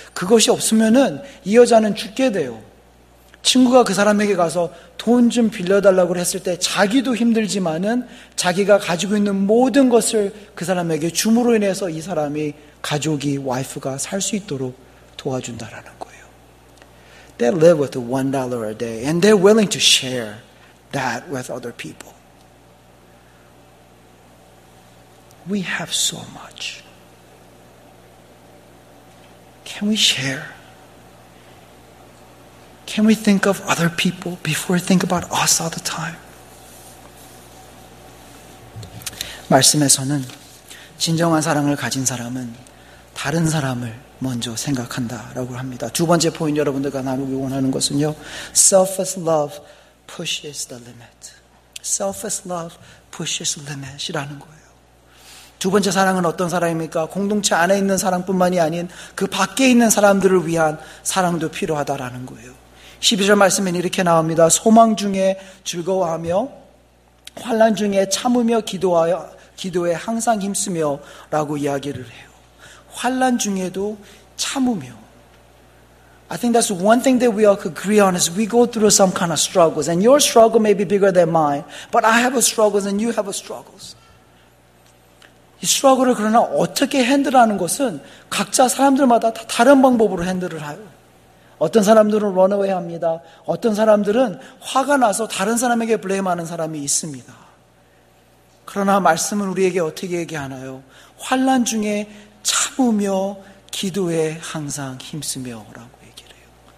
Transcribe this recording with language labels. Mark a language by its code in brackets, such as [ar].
[ko] 그것이 없으면은 이 여자는 죽게 돼요. 친구가 그 사람에게 가서 돈 좀 빌려달라고 했을 때 자기도 힘들지만은 자기가 가지고 있는 모든 것을 그 사람에게 줌으로 인해서 이 사람이 가족이 와이프가 살 수 있도록 도와준다라는 거예요. [en] They live with $1 a day and they're willing to share that with other people. We have so much. Can we share? Can we think of other people before we think about us all the time? [ko] 말씀에서는 진정한 사랑을 가진 사람은 다른 사람을 먼저 생각한다라고 합니다. 두 번째 포인트 여러분들과 나누기 원하는 것은요. [en] Selfish love pushes the limit. Selfish love pushes the limit [ko] 이라는 거예요. 두 번째 사랑은 어떤 사랑입니까? 공동체 안에 있는 사랑뿐만이 아닌 그 밖에 있는 사람들을 위한 사랑도 필요하다라는 거예요. 12절 말씀에는 이렇게 나옵니다. 소망 중에 즐거워하며 환난 중에 참으며 기도하여 기도에 항상 힘쓰며 라고 이야기를 해요. 환난 중에도 참으며. [en] I think that's one thing that we all agree on is we go through some kind of struggles and your struggle may be bigger than mine but I have a struggles and you have a struggles. [ko] 이 struggle을 그러나 어떻게 핸들하는 것은 각자 사람들마다 다 다른 방법으로 핸들을 해요. 어떤 사람들은 runaway 합니다. 어떤 사람들은 화가 나서 다른 사람에게 블레임하는 사람이 있습니다. 그러나 말씀은 우리에게 어떻게 얘기하나요? 환난 중에 참으며 기도에 항상 힘쓰며라고 얘기를 해요.